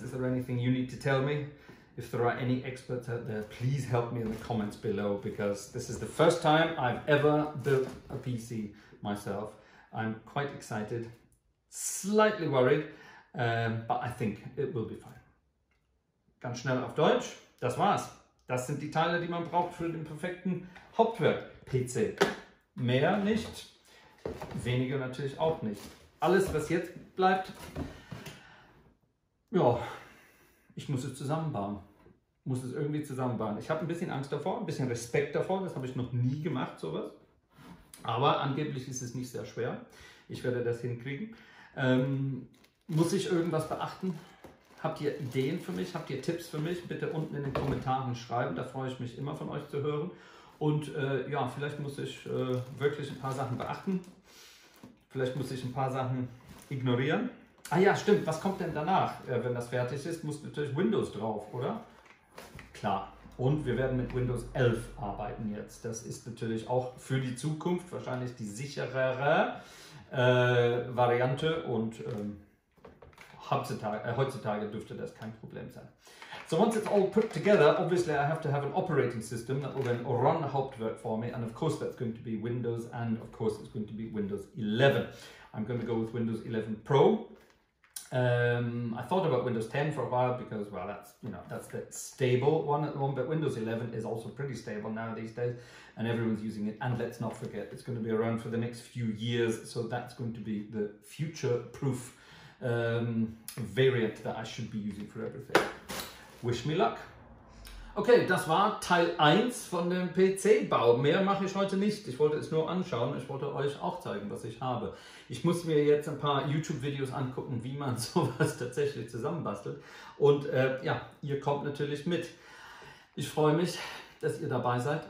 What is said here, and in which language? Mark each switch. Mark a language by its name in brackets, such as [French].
[English] Is there anything you need to tell me? If there are any experts out there, please help me in the comments below, because this is the first time I've ever built a PC myself. I'm quite excited, slightly worried, but I think it will be fine. [German] Ganz schnell auf Deutsch, das war's. Das sind die Teile, die man braucht für den perfekten Hauptwerk-PC. Mehr nicht, weniger natürlich auch nicht. Alles, was jetzt bleibt, ja, ich muss es zusammenbauen. Muss es irgendwie zusammenbauen. Ich habe ein bisschen Angst davor, ein bisschen Respekt davor. Das habe ich noch nie gemacht, sowas. Aber angeblich ist es nicht sehr schwer. Ich werde das hinkriegen. Muss ich irgendwas beachten? Habt ihr Ideen für mich? Habt ihr Tipps für mich? Bitte unten in den Kommentaren schreiben. Da freue ich mich immer von euch zu hören. Und ja, vielleicht muss ich wirklich ein paar Sachen beachten. Vielleicht muss ich ein paar Sachen ignorieren. Ah ja, stimmt. Was kommt denn danach, wenn das fertig ist? Muss natürlich Windows drauf, oder? Klar. Und wir werden mit Windows 11 arbeiten jetzt. Das ist natürlich auch für die Zukunft wahrscheinlich die sicherere Variante und heutzutage dürfte das kein Problem sein. [English] So once it's all put together, obviously I have to have an operating system that will then run Hauptwerk for me, and of course that's going to be Windows, and of course it's going to be Windows 11. I'm going to go with Windows 11 Pro. I thought about Windows 10 for a while because, well, that's the stable one at the moment, but Windows 11 is also pretty stable now these days and everyone's using it. And let's not forget, it's going to be around for the next few years, so that's going to be the future-proof variant that I should be using for everything. Wish me luck. [German] Okay, das war Teil 1 von dem PC-Bau. Mehr mache ich heute nicht. Ich wollte es nur anschauen. Ich wollte euch auch zeigen, was ich habe. Ich muss mir jetzt ein paar YouTube-Videos angucken, wie man sowas tatsächlich zusammenbastelt. Und ja, ihr kommt natürlich mit. Ich freue mich, dass ihr dabei seid.